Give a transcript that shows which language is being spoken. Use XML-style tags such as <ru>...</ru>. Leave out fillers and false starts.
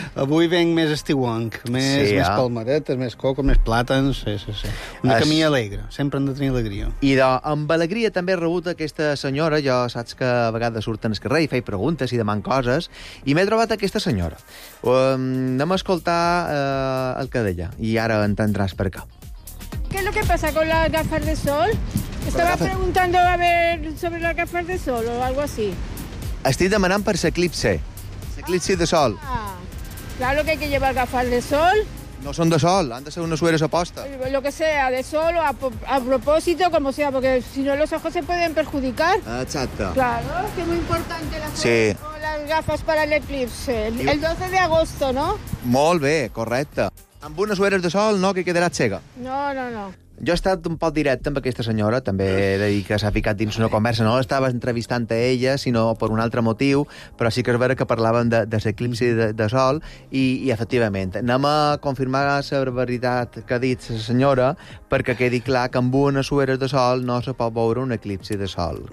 <ca>Avui venc més estiuanc, més palmeretes, més coco, més plàtans. Una camia alegre, sempre hem de tenir alegria. I amb alegria també he rebut aquesta senyora, jo saps que a vegades surten al carrer i feia preguntes i deman coses, i m'he trobat aquesta senyora. Anem a escoltar el que deia, i ara entendràs per què.</ca> <es>¿Qué es lo que pasa con las gafas de sol? Estaba preguntando a ver sobre las gafas de sol o algo así.</es> <ca>Estic demanant per l'eclipse. L'eclipse de sol.</ca> <es>Claro que hay que llevar gafas de sol.</es> <ca>No son de sol, han de ser unes ulleres a posta.</ca> <es>Lo que sea, de sol o a propósito, como sea, porque si no los ojos se pueden perjudicar.</es> <ca>Exacte.</ca> <es>Claro, que muy importante las gafas para el eclipse. El 12 de agosto, ¿no?</es> <ca>Molt bé, correcte. Amb unes ulleres de sol, no, que quedarà cega. No. Jo he estat un poc directe amb aquesta senyora, també he de dir que s'ha ficat dins una conversa, no l'estava entrevistant a ella, sinó per un altre motiu, però sí que és vera que parlàvem de l'eclipsi de sol, i efectivament, anem a confirmar la veritat que ha dit la senyora, perquè quedi clar que amb unes ulleres de sol no se pot veure un eclipsi de sol.</ca>